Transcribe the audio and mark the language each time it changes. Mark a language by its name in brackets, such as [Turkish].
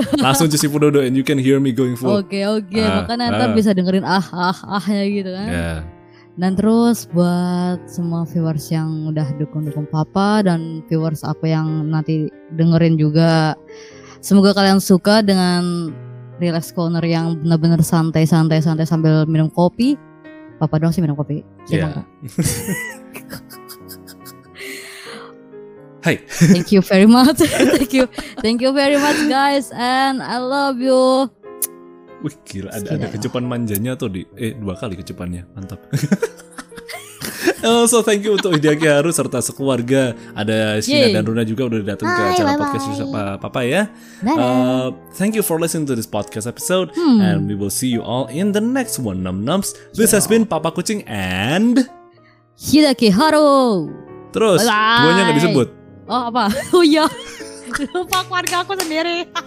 [Indonesian] Langsung [English] just Ipododo and you can hear me going full. [Indonesian] Oke. Makanya nanti bisa dengerin ahnya gitu kan. [English] Yeah. [Indonesian] Dan terus buat semua viewers yang udah dukung-dukung Papa dan viewers aku yang nanti dengerin juga, semoga kalian suka dengan relax corner yang benar-benar santai-santai sambil minum kopi. Papa doang sih minum kopi. [English] Yeah. Hai. Thank you very much. Thank you very much guys and I love you. [Indonesian] Wih, gila ada kecupan manjanya tuh di dua kali kecupannya. Mantap. [English] Also thank you [Indonesian] untuk Hideaki Haru serta sekeluarga. Ada Shina dan Runa juga udah datang ke acara podcast sama Papa ya. [English] Thank you for listening to this podcast episode and we will see you all in the next one. Num-nums. This has been Papa Kucing and Hideaki Haru. [Indonesian] Terus duanya enggak disebut. Oh apa? Oh iya. Lupa keluarga aku sendiri.